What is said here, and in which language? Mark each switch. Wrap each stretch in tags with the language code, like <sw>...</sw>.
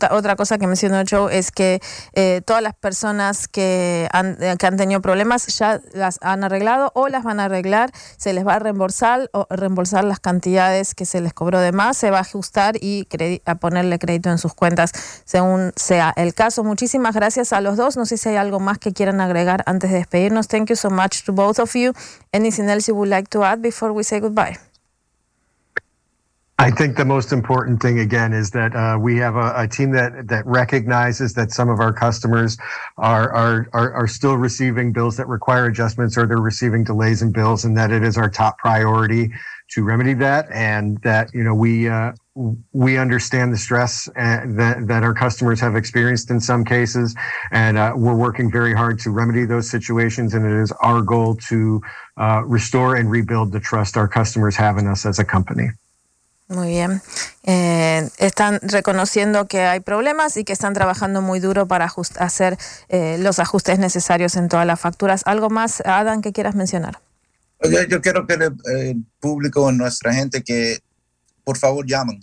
<es>Otra cosa que mencionó Joe es que todas las personas que han tenido problemas ya las han arreglado o las van a arreglar, se les va a reembolsar las cantidades que se les cobró de más, se va a ajustar y a ponerle crédito en sus cuentas según sea el caso. Muchísimas gracias a los dos. No sé si hay algo más que quieran agregar antes de despedirnos.</es> <en>Thank you so much to both of you. Anything else you would like to add before we say goodbye? I think the most important thing, again, is that we have a team that recognizes that some of our customers are still receiving bills that require adjustments, or they're receiving delays in bills, and that it is our top priority to remedy that. And that, you know, we understand the stress that our customers have experienced in some cases, and we're working very hard to remedy those situations. And it is our goal to restore and rebuild the trust our customers have in us as a company.</en> <es>Muy bien. Están reconociendo que hay problemas y que están trabajando muy duro para hacer los ajustes necesarios en todas las facturas. ¿Algo más, Adam, que quieras mencionar? Yo quiero que el público, nuestra gente, que por favor llamen.</es>